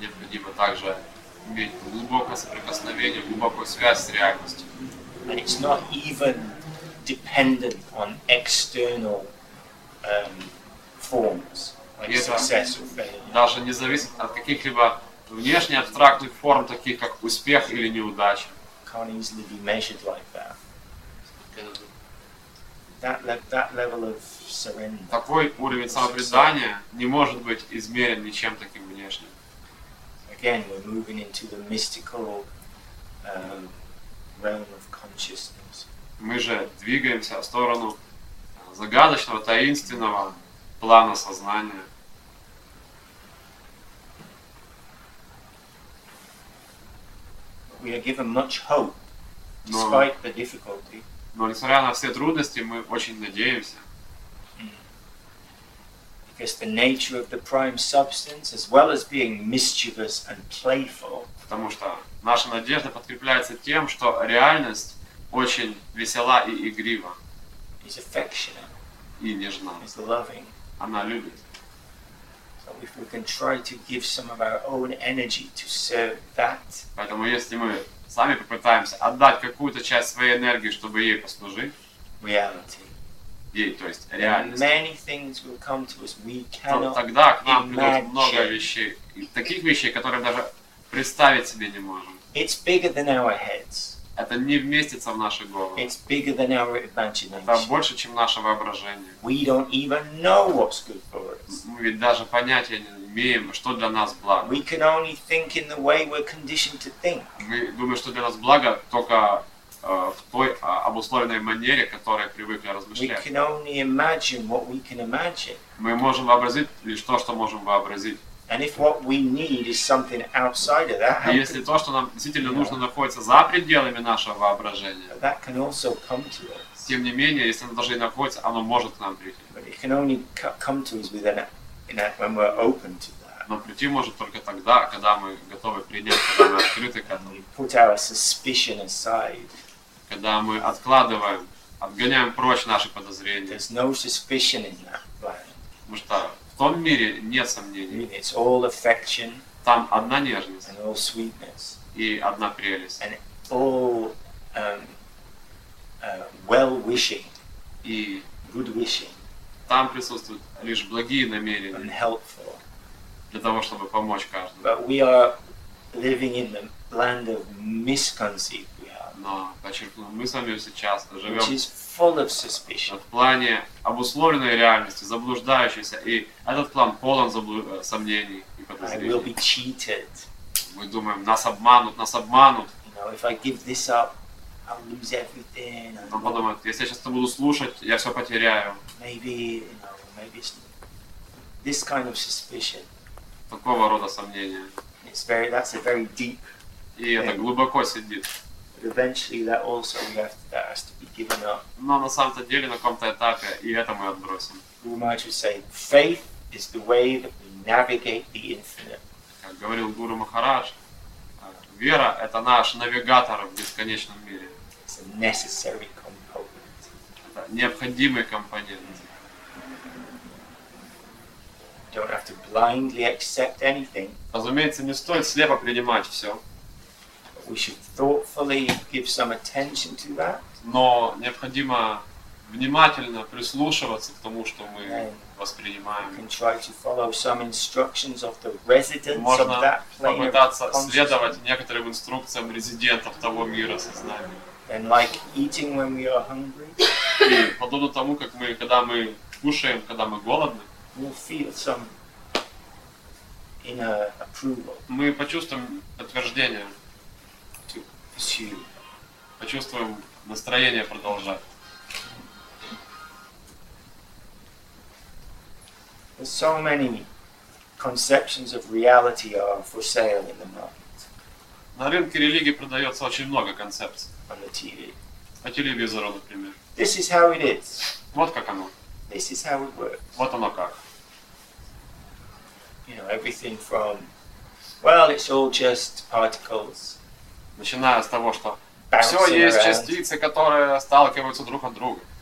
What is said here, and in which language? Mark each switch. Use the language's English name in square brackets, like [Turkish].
[Russian] Необходимо также иметь глубокое соприкосновение, глубокую связь с реальностью. [English] And it's not even dependent on external forms, like success or failure. [Russian] Даже не зависит от каких-либо внешне абстрактных форм, таких как успех или неудача. [English] Can't easily be measured like that. That level of surrender. [Russian] Такой уровень самопредания не может быть измерен ничем таким внешним. [English] again, we're moving into the mystical realm of consciousness. [Russian] Мы же двигаемся в сторону загадочного, таинственного плана сознания. [English] We are given much hope, despite the difficulty. [Russian] Но несмотря на все трудности, мы очень надеемся. [English] Because the nature of the prime substance, as well as being mischievous and playful. [Russian] Потому что наша надежда подкрепляется тем, что реальность очень весела и игрива. [English] Is affectionate. [Russian] И нежна. [English] Is loving. [Russian] Она любит. [English] So if we can try to give some of our own energy to serve that. [Russian] Поэтому если мы сами попытаемся отдать какую-то часть своей энергии, чтобы ей послужить. [English] Reality. [Russian] Ей, то есть реальность. [English] Many things will come to us we cannot. [Russian] Тогда к нам придут много вещей, таких вещей, которые даже представить себе не можем. [English] It's bigger than our heads. [Russian] Это не вместится в наши головы. [English] It's bigger than our imagination. [Russian] Это больше, чем наше воображение. [English] We don't even know what's good for us. [Russian] Мы ведь даже понятия не имеем, что для нас благо. [English] We can only think in the way we're conditioned to think. [Russian] Мы думаем, что для нас благо только в той обусловленной манере, которой привыкли размышлять. [English] We can only imagine what we can imagine. [Russian] Мы можем вообразить лишь то, что можем вообразить. [English] And if what we need is something outside of that, how [Russian] если то, что нам действительно нужно, находится за пределами нашего воображения, [English] but that can also come to us. [Russian] Тем не менее, если оно даже и находится, оно может к нам прийти. [English] But it can only come to us within when we're open to that. [Russian] Но прийти может только тогда, когда мы готовы принять, когда мы открыты к этому. [English] Put our suspicion aside. [Russian] Когда мы откладываем, отгоняем прочь наши подозрения. [English] There's no suspicion in that [Russian] потому что в том мире нет сомнений. [English] It's all affection, [Russian] там одна нежность [English] and all sweetness, [Russian] и одна прелесть. [English] And all, well-wishing, [Russian] и [English] good-wishing, [Russian] там присутствуют лишь благие намерения [English] and helpful, [Russian] для того, чтобы помочь каждому. [English] But we are living in the land of misconceived reality, [Russian] но, подчеркну, мы с вами сейчас живем [English] which is full of suspicion. [Russian] В плане обусловленной реальности, заблуждающейся, и этот план полон сомнений и подозрений. [English] I will be cheated. [Russian] Мы думаем, нас обманут. [English] You know, if I give this up, I'll lose everything. [Russian] Но подумают, если я сейчас это буду слушать, я все потеряю. [English] Maybe, you know, maybe it's this kind of suspicion. [Russian] Такого рода сомнения. [English] It's very, that's a very deep. [Russian] И это глубоко сидит. [English] Eventually, that also we have to, that has to be given up. [Russian] Но на самом-то деле на каком-то этапе и это мы отбросим. [English] Гуру say, faith is the way that we navigate the infinite. [Russian] Как говорил Гуру Махарадж, вера — это наш навигатор в бесконечном мире. [English] It's a necessary component. [Russian] Это необходимый компонент. [English] Don't have to blindly accept anything. [Russian] Разумеется, не стоит слепо принимать все. [English] We should thoughtfully give some attention to that. [Russian] Но необходимо внимательно прислушиваться к тому, что мы воспринимаем. [English] We can try to follow some instructions of the residents of that plane of consciousness. [Russian] Можно попытаться следовать некоторым инструкциям резидентов того мира сознания. [English] And like eating when we are hungry. [Russian] И подобно тому, как мы, когда мы кушаем, когда мы голодны. [English] We'll feel some inner approval. [Russian] Мы почувствуем подтверждение. [English] Pursue. [Russian] Почувствуем настроение продолжать. [English] There's so many conceptions of reality are for sale in the market. [Russian] На рынке религии продается очень много концепций. [English] On the TV. [Russian] По телевизору, например. [English] This is how it is. [Russian] Вот как оно. [English] This is how it works. [Russian] Вот оно как. [English] You know, everything from, well, it's all just particles. [Russian] Начиная с того, что все есть частицы, которые сталкиваются друг от друга.